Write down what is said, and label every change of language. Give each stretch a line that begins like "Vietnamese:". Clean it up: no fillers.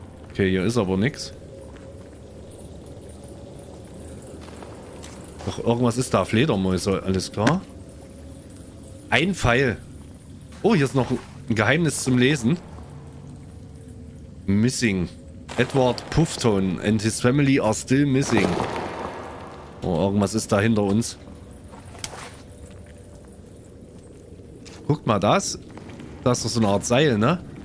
German: Okay, hier ist aber nichts. Doch, irgendwas ist da. Fledermäuse, alles klar. Ein Pfeil. Oh, hier ist noch ein Geheimnis zum Lesen.
English: Missing. Edward Puffton and his family are still missing.
German: Oh, irgendwas ist da hinter uns. Guckt mal, das. Das ist doch so eine Art Seil, ne?